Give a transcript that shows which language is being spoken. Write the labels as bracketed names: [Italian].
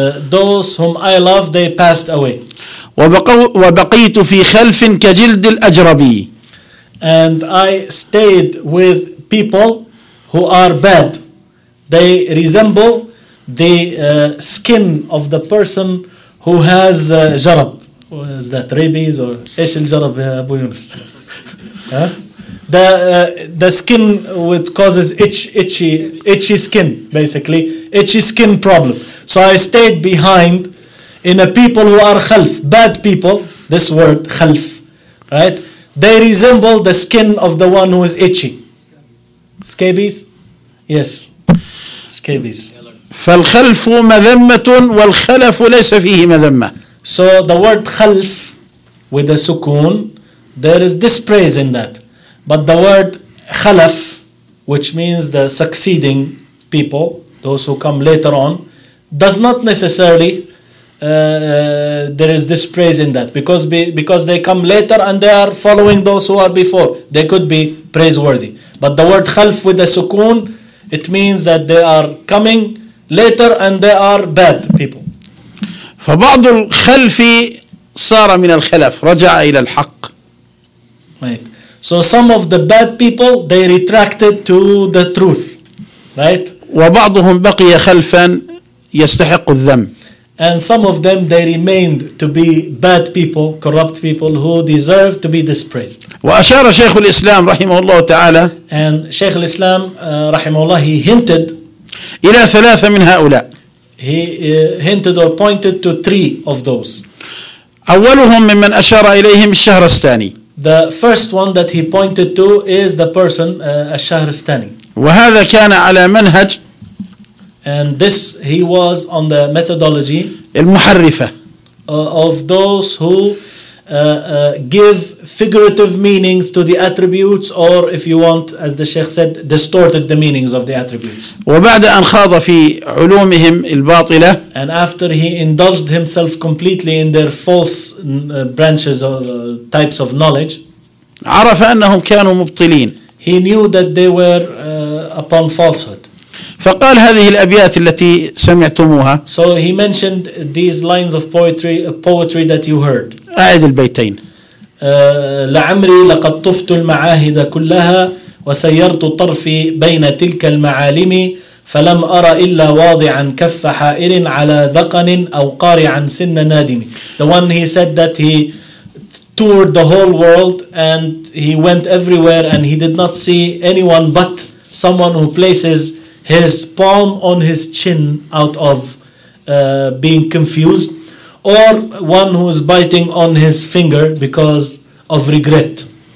[English] Those whom I love, they passed away. [Arabic] وبقيت في خلف كجلد الأجربي. [English] And I stayed with people who are bad. They resemble the skin of the person who has جرب. Is that rabies or [Arabic] إيش الجرب يا أبو يونس؟ [English] The skin which causes itchy skin, basically itchy skin problem. So I stayed behind in a people who are خلف, bad people. This word خلف, right? They resemble the skin of the one who is itchy. Scabies, yes, scabies. [Arabic] فالخلف مذمة والخلف ليس فيه مذمة. [English] So the word خلف with a سكون, there is dispraise in that. But the word خلف, which means the succeeding people, those who come later on, does not necessarily there is dispraise in that, because they come later and they are following those who are before, they could be praiseworthy. But the word خلف with a سكون, it means that they are coming later and they are bad people. [Arabic] فبعض الخلف صار من الخلف رجع إلى الحق. [English] Right. So some of the bad people, they retracted to the truth, right? [Arabic] وبعضهم بقي خلفا يستحق الذم. [English] And some of them, they remained to be bad people, corrupt people who deserve to be dispraised. [Arabic] وأشار شيخ الإسلام رحمه الله تعالى. [English] And شيخ الإسلام [Arabic] رحمه الله, [English] he hinted [Arabic] إلى ثلاثة من هؤلاء. [English] He hinted or pointed to three of those. [Arabic] أولهم ممن أشار إليهم الشهر الثاني. [English] The first one that he pointed to is the person الشهرستاني. [Arabic] وهذا كان على منهج. [English] And this he was on the methodology. [Arabic] المحرفة. [English] Of those who give figurative meanings to the attributes, or if you want, as the Sheikh said, distorted the meanings of the attributes. [Arabic] وبعد أن خاض في علومهم الباطلة. [English] And after he indulged himself completely in their false branches or types of knowledge. [Arabic] عرف أنهم كانوا مبطلين. [English] He knew that they were upon falsehood. [Arabic] فقال هذه الأبيات التي سمعتموها. [English] So he mentioned these lines of poetry that you heard. [Arabic] أعد البيتين. لعمري لقد طفت المعاهد كلها وسيرت طرفي بين تلك المعالم فلم أرى إلا واضعا كف حائر على ذقن أو قارعا سن نادم. [English] The one he said that he toured the whole world and he went everywhere and he did not see anyone but someone who places his palm on his chin out of being confused, or one who is biting on his finger because of regret.